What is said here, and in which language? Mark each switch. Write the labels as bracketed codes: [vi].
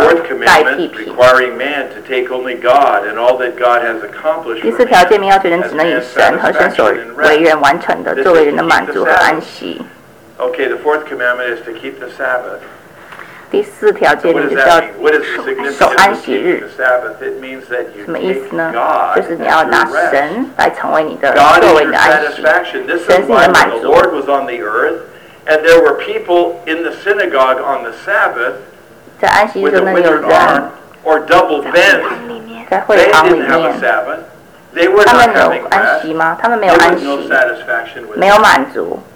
[en] Number two, the fourth commandment requiring man to take only God and all that God has accomplished. [zh] 第四条诫命要求人只能以神和神所为人完成的作为人的满足和安息。 [en] Okay, the fourth commandment is to keep the Sabbath. [zh] 第四条诫命就是要守安息日。什么意思呢？就是你要拿神来成为你的作为你的安息。神是你的满足。 [en] The Lord was on the earth. And there were people in the synagogue on the Sabbath with a withered arm or double bent. They didn't have a Sabbath. They were not having rest. There was no satisfaction with that.